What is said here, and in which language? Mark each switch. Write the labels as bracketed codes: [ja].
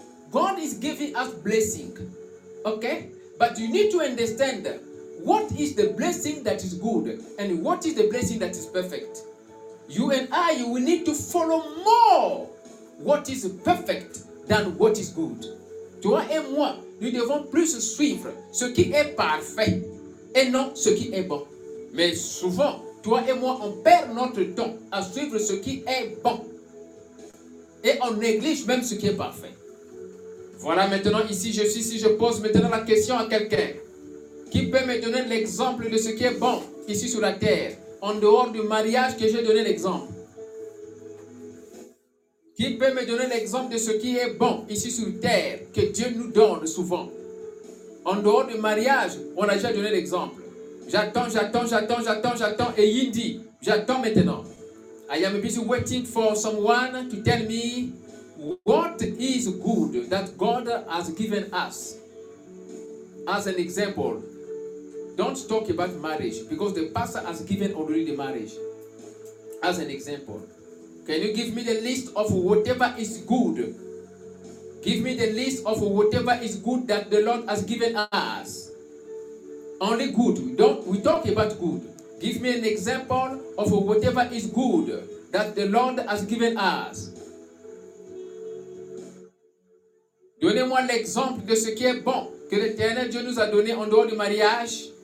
[en] God is giving us blessing. Okay? But you need to understand what is the blessing that is good and what is the blessing that is perfect. You and I, we need to follow more what is perfect than what is good. [fr] Toi et moi, nous devons plus suivre ce qui est parfait et non ce qui est bon. Mais souvent, toi et moi, on perd notre temps à suivre ce qui est bon. Et on néglige même ce qui est parfait. Voilà, maintenant ici, je suis ici, je pose maintenant la question à quelqu'un. Qui peut me donner l'exemple de ce qui est bon ici sur la terre, en dehors du mariage que j'ai donné l'exemple? Qui peut me donner l'exemple de ce qui est bon ici sur terre, que Dieu nous donne souvent? En dehors du mariage, on a déjà donné l'exemple. J'attends. Et Yindi, j'attends maintenant. [en] I am busy waiting for someone to tell me what is good that God has given us as an example. Don't talk about marriage because the pastor has given already the marriage as an example. Can you give me the list of whatever is good? Give me the list of whatever is good that the Lord has given us. Only good. We talk about good. Give me an example of whatever is good that the Lord has given us. [fr] Donnez-moi l'exemple de ce qui est bon que l'Éternel Dieu nous a donné en dehors du mariage.